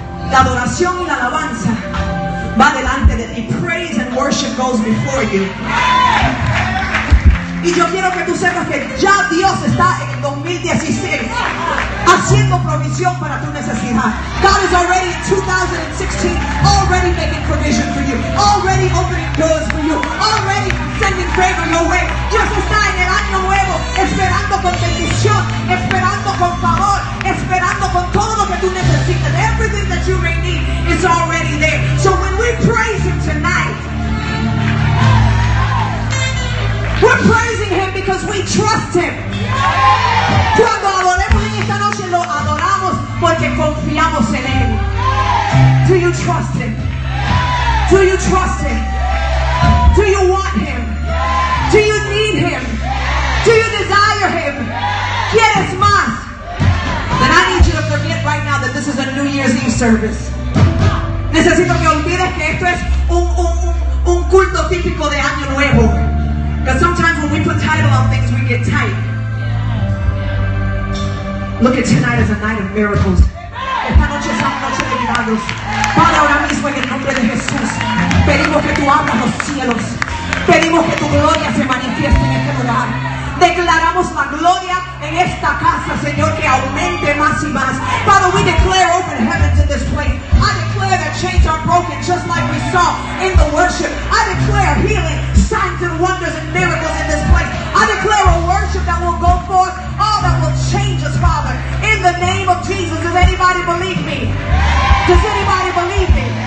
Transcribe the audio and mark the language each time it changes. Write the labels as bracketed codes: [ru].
[es] La adoración y la alabanza va delante de ti. [en] Praise and worship goes before you. [es] Y yo quiero que tú sepas que ya Dios está en el 2016 haciendo provisión para tu necesidad. [en] God is already in 2016 already making provision for you, already opening doors for you, already sending favor your way. [es] Dios está en el año nuevo esperando con bendición, esperando con favor, esperando con todo lo que tú necesitas. [en] Everything that you may need is already there. So when we praise him tonight, we're praising him because we trust him. [es] Cuando adoremos en esta noche, lo adoramos porque confiamos en él. [en] Do you trust him? Do you trust him? Do you want him? Do you need him? Do you desire him? [es] ¿Quieres más? [en] Then I need you to forget right now that this is a New Year's Eve service. [es] Necesito que olvides que esto es un culto típico de año nuevo. [en] Because sometimes when we put title on things, we get tight. Look at tonight as a night of miracles. [es] Esta noche es una noche de milagros. Padre, ahora mismo en el nombre de Jesús, pedimos que tú abras los cielos. Pedimos que tu gloria se manifieste en este lugar. Declaramos la gloria en esta casa, Señor, que aumente más y más. [en] Father, we declare open heavens in this place. I declare that chains are broken, just like we saw in the worship. I declare healing, signs and wonders and miracles in this place. I declare a worship that will go forth, all that will change us, Father, in the name of Jesus. Does anybody believe me? Does anybody believe me?